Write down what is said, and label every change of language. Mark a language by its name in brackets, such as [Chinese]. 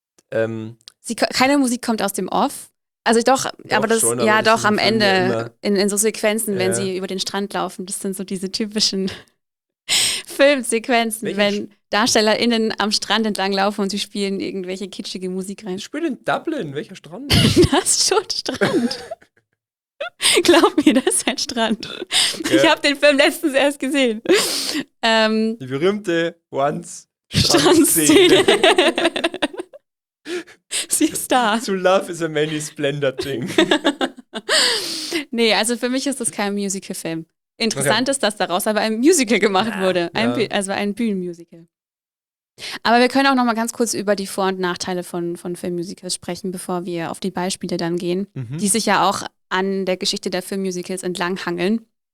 [German] keine Musik kommt aus dem Off. Also am Ende, in so Sequenzen, wenn sie über den Strand laufen, das sind so diese typischen Filmsequenzen, wenn DarstellerInnen am Strand entlang laufen und sie spielen irgendwelche kitschige Musik rein. Spielt in Dublin, welcher Strand? Das ist schon Strand. Glaub mir, das ist ein Strand. Ja. Ich habe den Film letztens erst gesehen. Die berühmte Once-Strand-Szene. Sie ist da. [English] To love is a many splendor thing. [German] Nee, also für mich ist das kein Musical-Film. Interessant ist, dass daraus aber ein Musical gemacht wurde. Ein Bühnenmusical. Aber wir können auch noch mal ganz kurz über die Vor- und Nachteile von Filmmusicals sprechen, bevor wir auf die Beispiele dann gehen, die sich ja auch an der Geschichte der Filmmusicals entlang hangeln.